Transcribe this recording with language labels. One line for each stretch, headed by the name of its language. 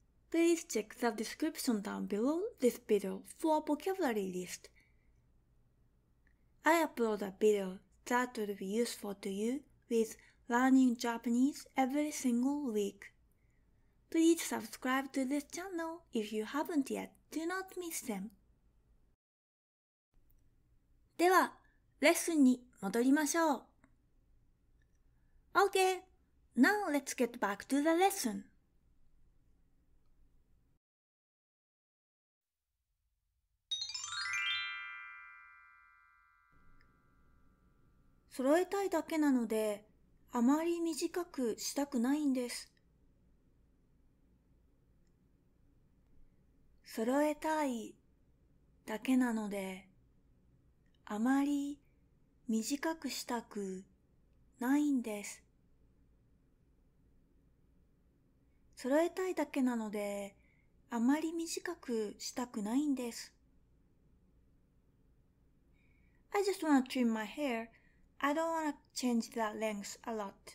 English: Please check the description down below this video for a vocabulary list. I upload a video that will be useful to you with learning Japanese every single week. Please subscribe to this channel if you haven't yet. Do not miss them.
Japanese: では、レッスンに戻りましょう。
English: Okay, now let's get back to the lesson.
Japanese: 揃えたいだけなので、あまり短くしたくないんです。揃えたいだけなので、あまり短くしたくないんです。揃えたいだけなので、あまり短くしたくないんです。
English: I just want to trim my hair. I don't want to change that length a lot.